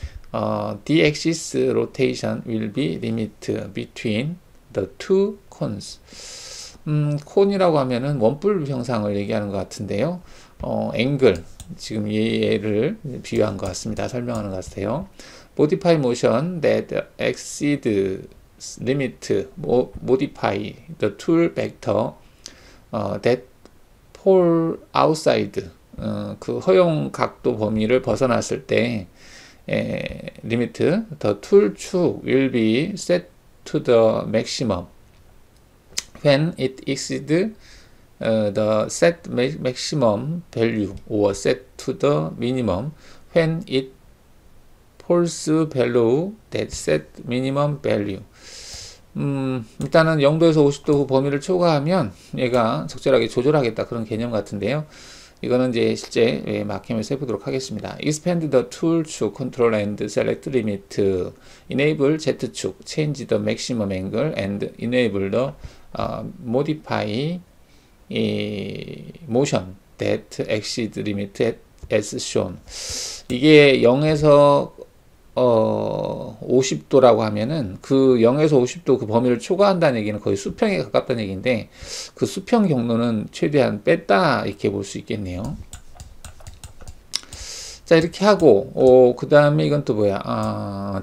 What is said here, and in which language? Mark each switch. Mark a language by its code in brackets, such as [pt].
[en] The axis rotation will be limit between the two cones. [ko] cone이라고 하면은 원뿔 형상을 얘기하는 것 같은데요. 앵글. 지금 얘를 비유한 것 같습니다. 설명하는 것 같아요. [en] Modify motion that exceed limit, modify the tool vector that fall outside [ko] 그 허용 각도 범위를 벗어났을 때 [en] limit the tool chuck will be set to the maximum when it exceed the set maximum value or set to the minimum when it falls below that set minimum value. [ko] 일단은 0도에서 50도 범위를 초과하면 얘가 적절하게 조절하겠다 그런 개념 같은데요. 이거는 이제 실제 막힘을 세보도록 하겠습니다. [en] Expand the tool chuck control and select limit. Enable Z축. Change the maximum angle and enable the modify motion that exceed limit as shown. [ko] 이게 0에서 50도라고 하면은 그 0에서 50도 그 범위를 초과한다는 얘기는 거의 수평에 가깝다는 얘기인데 그 수평 경로는 최대한 뺐다 이렇게 볼수 있겠네요. 자, 이렇게 하고 그 다음에 이건 또 뭐야?